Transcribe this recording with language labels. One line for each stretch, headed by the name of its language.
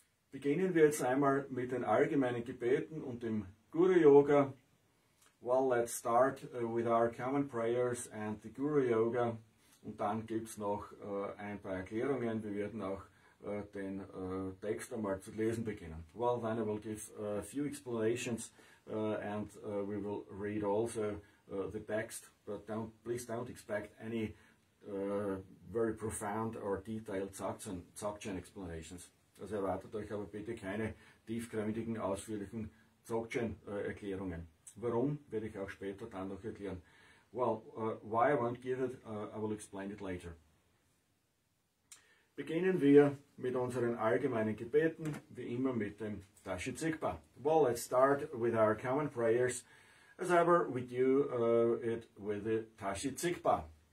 German: Beginnen wir jetzt einmal mit den allgemeinen Gebeten und dem Guru Yoga.
English: Well, let's start with our common prayers and the Guru Yoga.
German: Und dann gibt es noch ein paar Erklärungen. Wir werden auch den Text einmal zu lesen beginnen.
English: Well, then I will give a few explanations and we will read also the text. But please don't expect any very profound or detailed Dzogchen explanations.
German: Also erwartet euch aber bitte keine tiefgründigen, ausführlichen Dzogchen-Erklärungen. Warum, werde ich auch später dann noch erklären.
English: Well, why I won't give it, I will explain it later.
German: Beginnen wir mit unseren allgemeinen Gebeten, wie immer mit dem Dashi Zigpa.
English: Well, let's start with our common prayers, as ever we do it with the Dashi Zigpa.